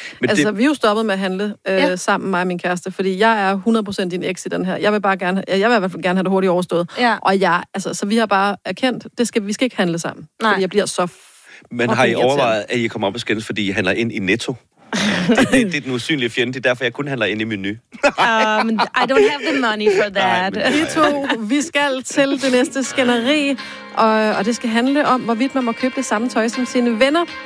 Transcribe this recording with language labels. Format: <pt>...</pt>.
<da>Men altså, vi er jo stoppet med at handle sammen, mig og min kæreste, fordi jeg er 100% din eks i den her. Jeg vil i hvert fald gerne have det hurtigt overstået. Ja. Og jeg, altså, så vi har bare erkendt, vi skal ikke handle sammen. Nej. Fordi jeg bliver så... Men har I overvejet, at I kommer op og skændes, fordi I handler ind i Netto? Det er den usynlige fjende, det er derfor, jeg kun handler ind i menu.</da> <en>I don't have the money for that.</en> <da>Nej, men... vi skal til det næste skænderi, og det skal handle om, hvorvidt man må købe det samme tøj som sine venner.</da>